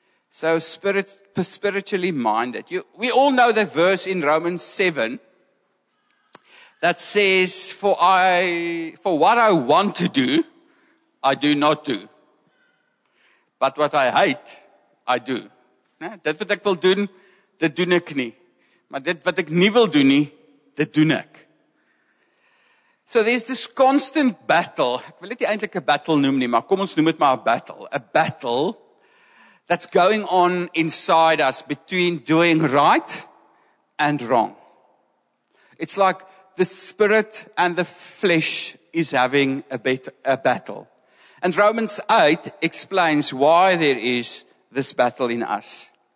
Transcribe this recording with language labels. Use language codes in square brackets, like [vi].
[en] Spiritually minded. We all know the verse in Romans 7 that says, for what I want to do, I do not do. But what I hate, I do. [af] Nee, dit wat ek wil doen, dit doen ek nie. Maar dit wat ek nie wil doen nie, dit doen ek. [en] So there's this constant battle. [af] Ek wil dit nie eintlik 'n battle noem nie, maar kom ons noem dit maar 'n battle. [en] A battle that's going on inside us between doing right and wrong. It's like the spirit and the flesh is having a battle. And Romans 8 explains why there is this battle in us.